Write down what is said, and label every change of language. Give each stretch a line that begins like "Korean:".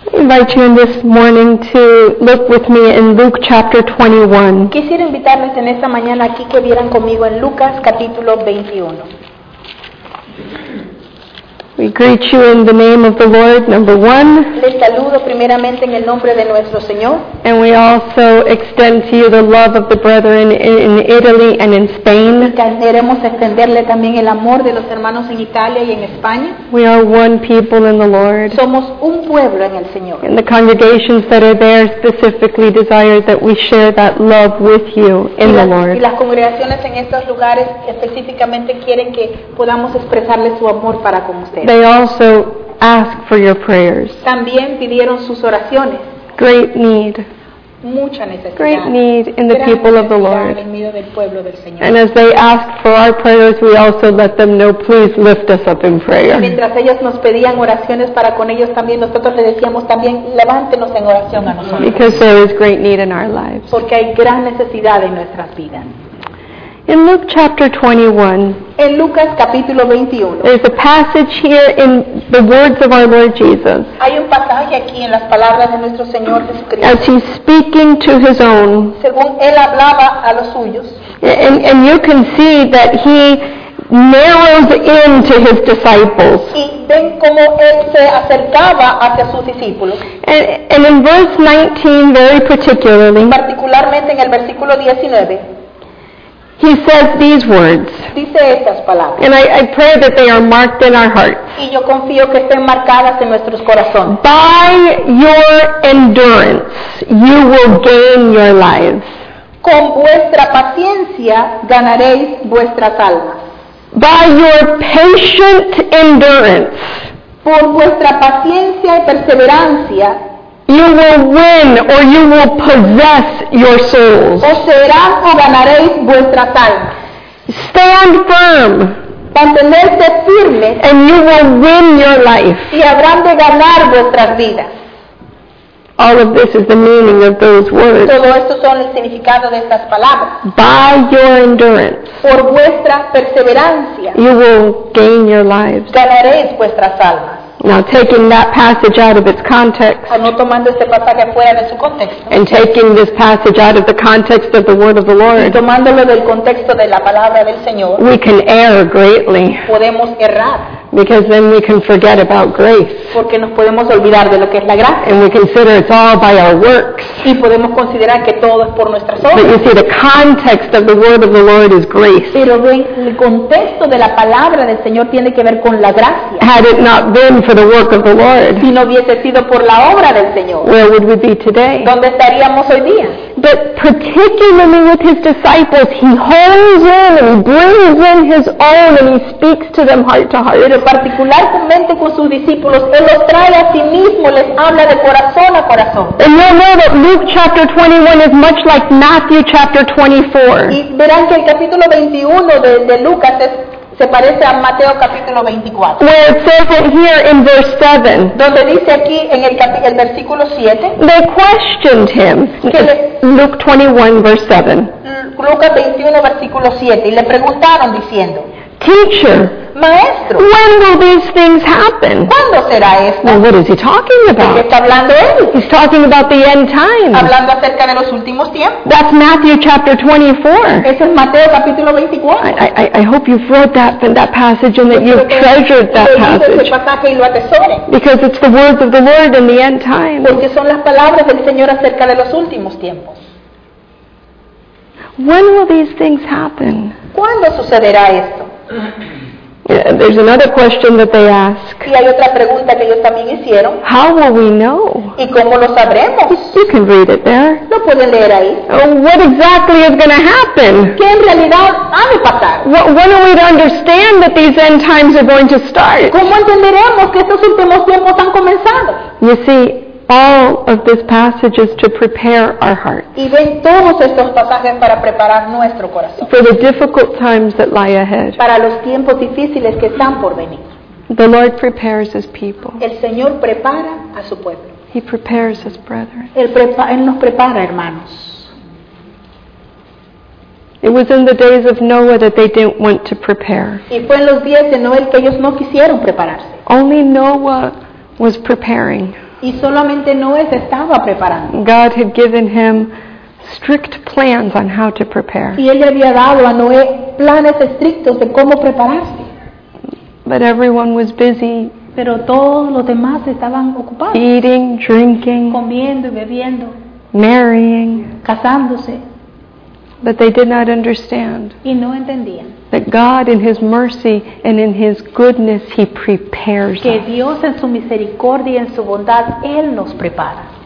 English: invite you in this morning to look with me in Luke chapter 21.
Spanish: Quisiera invitarles en esta mañana aquí que vieran conmigo en Lucas capítulo 21.
English: We greet you in the name of the Lord, number one.
Spanish: Les saludo primeramente en el nombre de nuestro Señor.
English: And we also extend to you the love of the brethren in Italy and in Spain.
Spanish: Queremos extenderle también el amor de los hermanos en Italia y en España.
English: We are one people in the Lord.
Spanish: Somos un pueblo en el Señor.
English: And the congregations that are there specifically desire that we share that love with you in the Lord.
Spanish: Y las congregaciones en estos lugares específicamente quieren que podamos expresarle su amor para con ustedes.
English: They also ask for your prayers.
Spanish: También pidieron sus oraciones.
English: Great need.
Spanish: Mucha necesidad.
English: Great need in the
Spanish: Gran
English: people of the Lord.
Spanish: En medio del pueblo del Señor.
English: And as they ask for our prayers, we also let them know, please lift us up in prayer.
Spanish: Mientras ellos nos pedían oraciones para con ellos también, nosotros les decíamos también, levántenos en oración a nosotros.
English: Because there is great need in our lives.
Spanish: Porque hay gran necesidad en nuestras vidas.
English: In Luke chapter 21,
Spanish: en Lucas capítulo 21,
English: there's a passage here in the words of our Lord Jesus.
Spanish: Hay un pasaje aquí en las palabras de nuestro Señor Jesucristo.
English: As he's speaking to his own.
Spanish: Según él hablaba a los suyos.
English: And you can see that he narrows in to his disciples.
Spanish: Y ven cómo él se acercaba hacia sus discípulos.
English: And in verse 19, very particularly,
Spanish: particularmente en el versículo 19,
English: he says these words.
Spanish: Dice estas palabras.
English: And I pray that they are marked in our hearts.
Spanish: Y yo confío que estén marcadas en nuestros corazones.
English: By your endurance, you will gain your lives.
Spanish: Con vuestra paciencia ganaréis vuestras almas.
English: By your patient endurance.
Spanish: Por vuestra paciencia y perseverancia.
English: You will win or you will possess your souls.
Spanish: O serán o ganaréis vuestras almas.
English: Stand firm.
Spanish: Mantenerse firme.
English: And you will win your life.
Spanish: Y habrán de ganar vuestras vidas.
English: All of this is the meaning of those words.
Spanish: Todo esto son el significado de estas palabras.
English: By your endurance.
Spanish: Por vuestra perseverancia.
English: You will gain your lives.
Spanish: Ganaréis vuestras almas.
English: Now taking that passage out of its context,
Spanish: no tomando este pasaje fuera de su contexto,
English: and taking this passage out of the context of the word of the Lord,
Spanish: y tomándolo del contexto de la palabra del Señor,
English: we can err greatly.
Spanish: Podemos errar.
English: Because then we can forget about grace.
Spanish: Porque nos podemos olvidar de lo que es la gracia.
English: And we consider it's all by our works.
Spanish: Y podemos considerar que todo es por nuestras obras.
English: But you see, the context of the word of the Lord is grace.
Spanish: Pero el contexto de la palabra del Señor tiene que ver con la gracia.
English: Had it not been for the work of the Lord,
Spanish: si no hubiese sido por la obra del Señor,
English: where would we be today?
Spanish: ¿Dónde estaríamos hoy día?
English: But particularly with his disciples, he holds in and brings in his own and he speaks to them heart to heart.
Spanish: Pero particularmente con sus discípulos, él los trae a sí mismo, les habla de corazón a corazón.
English: And you'll know that Luke chapter 21 is much like Matthew chapter 24.
Spanish: Y verán que el capítulo 21 de Lucas es, se parece a Mateo capítulo 24.
English: Where it says it here in verse 7.
Spanish: Donde dice aquí en el versículo 7.
English: They questioned him. Luke 21 verse 7.
Spanish: Lucas 21 versículo 7. Y le preguntaron diciendo,
English: Teacher,
Spanish: Maestro,
English: when will these things happen?
Spanish: ¿Cuándo será esto?
English: Well, what is he talking about?
Spanish: ¿De qué está hablando él?
English: He's talking about the end times.
Spanish: Hablando acerca de los últimos tiempos.
English: That's Matthew chapter 24.
Spanish: Eso es Mateo capítulo 24.
English: I hope you've read that passage and that you've treasured that passage.
Spanish: Pasaje y lo atesore.
English: Because it's the words of the Lord in the end times.
Spanish: Porque son las palabras del Señor acerca de los últimos tiempos.
English: When will these things happen?
Spanish: ¿Cuándo sucederá esto?
English: Yeah, there's another question that they ask.
Spanish: Y hay otra pregunta que ellos también hicieron.
English: How will we know?
Spanish: ¿Y cómo lo sabremos?
English: You can read it there.
Spanish: ¿Lo pueden leer ahí?
English: What exactly is going to happen?
Spanish: ¿Qué en realidad ha de pasar?
English: When are we to understand that these end times are going to start?
Spanish: ¿Cómo entenderemos que estos últimos tiempos han comenzado?
English: You see, all of this passage is to prepare our hearts.
Spanish: Y ven todos estos pasajes para preparar nuestro corazón.
English: For the difficult times that lie ahead.
Spanish: Para los tiempos difíciles que están por venir.
English: The Lord prepares his people.
Spanish: El Señor prepara a su pueblo.
English: He prepares his brethren.
Spanish: Él nos prepara, hermanos.
English: It was in the days of Noah that they didn't want to prepare.
Spanish: Y fue en los días de Noé que ellos no quisieron prepararse.
English: Only Noah was preparing.
Spanish: Y solamente Noé se estaba preparando.
English: God had given him strict plans on how to prepare.
Spanish: Y él le había dado a Noé planes estrictos de cómo prepararse.
English: But everyone was busy.
Spanish: Pero todos los demás estaban ocupados.
English: Eating, drinking,
Spanish: comiendo y bebiendo.
English: Marrying,
Spanish: casándose.
English: But they did not understand.
Spanish: Y no entendían.
English: That God in His mercy and in His goodness He prepares us.
Spanish: Que Dios en su misericordia y en su bondad Él nos prepara.